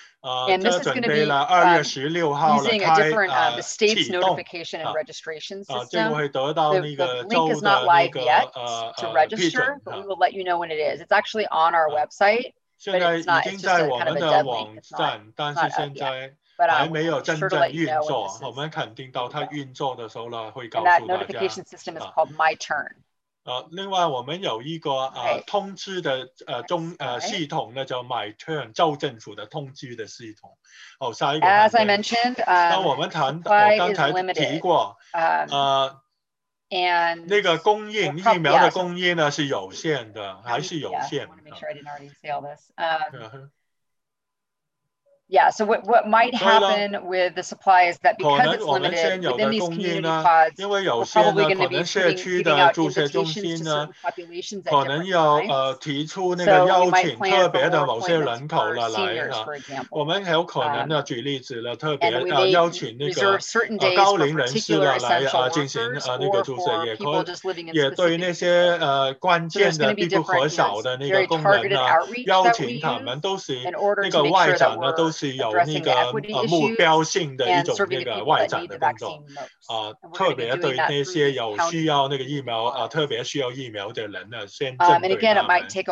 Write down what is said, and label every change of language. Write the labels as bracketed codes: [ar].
[en] And this is going to be using a different the state's notification and registration system. The link is not live yet to register, but we will let you know when it is. It's actually on our website, but it's not. It's just a kind of a dead link. It's not up yet. [zh] 还没有真正运作，我们肯定到它运作的时候呢，会告诉大家。 [en] And that notification system is called My Turn. [zh] 另外我们有一个通知的系统呢，叫 My Turn 州政府的通知的系统。好，下一个。 [en] As I mentioned, supply is limited. [zh] 刚才提过。 [en] And [zh] 那个供应 [en] probably, [zh] 疫苗的供应呢是有限的，还是有限的。 [en] Yeah, I want to make sure I didn't already say all this. Yeah, so what might happen with the supply is that because it's limited within these community pods, we're probably going to be giving out invitations to certain populations at different times. So we might plan for more appointments for seniors, for example. And we may reserve certain days for particular essential workers or for people just living in specific areas. There's going to be different, you know, very targeted outreach that we use in order to make sure that we're [zh] 是有那个目标性的一种那个外展的工作，特别对那些有需要那个疫苗特别需要疫苗的人呢，先针对他们。